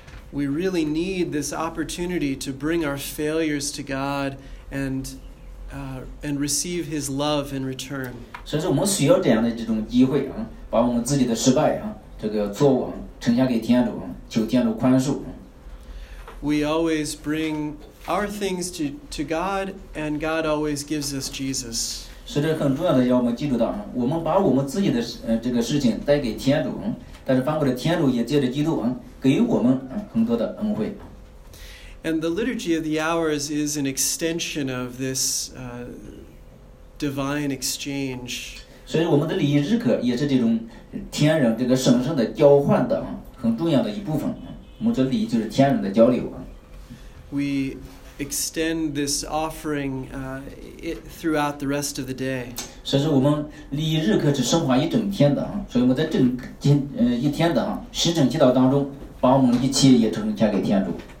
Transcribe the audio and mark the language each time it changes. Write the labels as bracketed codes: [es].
[en] We really need this opportunity to bring our failures to God and receive His love in return. [zh] 所以说我们需要这样的这种机会啊，把我们自己的失败啊，这个错误呈现给天主，求天主宽恕。 [en] We always bring our things to God, and God always gives us Jesus. [zh] 是这很重要的，要我们记住的，我们把我们自己的这个事情带给天主，但是反过来，天主也借着基督给我们很多的恩惠。 [en] And the Liturgy of the Hours is an extension of this divine exchange. [zh] 所以我们的礼仪日课也是这种天人这个神圣的交换的很重要的一部分。我们这礼仪就是天人的交流。 [en] We extend this offering throughout the rest of the day. [zh] 所以说我们礼仪日课是升华一整天的，所以我们在整一天的十整祈祷当中，把我们一切也呈现给天主。